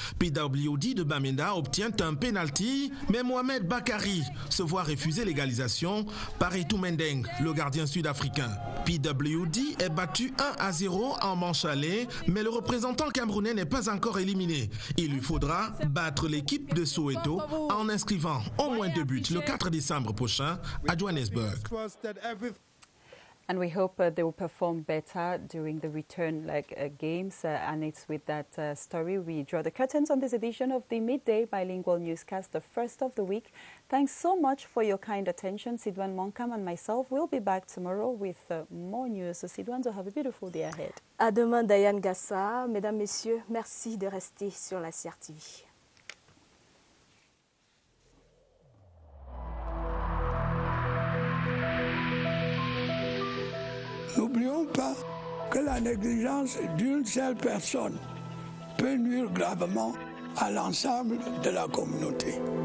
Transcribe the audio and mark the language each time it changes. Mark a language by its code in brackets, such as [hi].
[fr] PWD de Bamenda obtient un pénalty, mais Mohamed Bakary se voit refuser l'égalisation par Etou Mendeng, le gardien sud-africain. PWD est battu 1-0 en manche aller, mais le représentant camerounais n'est pas encore éliminé. Il lui faudra battre l'équipe de Soweto en inscrivant au moins 2 buts le 4 décembre prochain à Johannesburg. [en] And we hope they will perform better during the return leg games. And it's with that story we draw the curtains on this edition of the Midday Bilingual Newscast, the first of the week. Thanks so much for your kind attention. Sidwan Monkam and myself will be back tomorrow with more news. So Sidwan, so have a beautiful day ahead. [fr] À demain, Diane Gassa. Mesdames, Messieurs, merci de rester sur la CRTV. N'oublions pas que la négligence d'une seule personne peut nuire gravement à l'ensemble de la communauté.